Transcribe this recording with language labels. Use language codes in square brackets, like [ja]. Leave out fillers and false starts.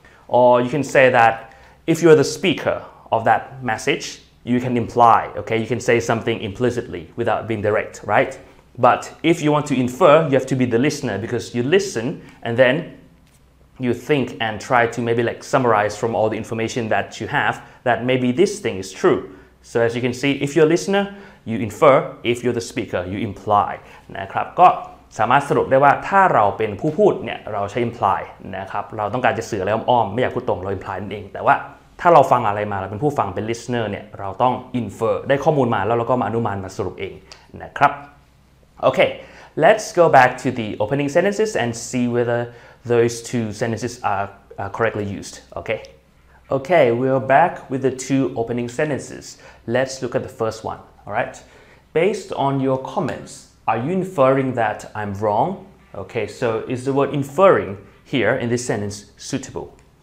[en] or you can say that if you're the speaker of that message you can imply okay you can say something implicitly without being direct rightBut if you want to infer, you have to be the listener because you listen and then you think and try to maybe like summarize from all the information that you have that maybe this thing is true. So as you can see, if you're a listener, you infer. If you're the speaker, you imply. [th] นะครับก็สามารถสรุปได้ว่าถ้าเราเป็นผู้พูดเนี่ยเราใช้ imply นะครับเราต้องการจะสื่ออะไรอ้อมๆไม่อยากพูดตรงเรา imply นั่นเองแต่ว่าถ้าเราฟังอะไรมาเราเป็นผู้ฟังเป็น listener เนี่ยเราต้อง infer ได้ข้อมูลมาแล้วเราก็มาอนุมานมาสรุปเองนะครับ [en] Okay, let's go back to the opening sentences and see whether those two sentences are correctly used, okay? Okay, we're back with the two opening sentences. Let's look at the first one, all right? Based on your comments, are you inferring that I'm wrong? Okay, so is the word inferring here in this sentence suitable?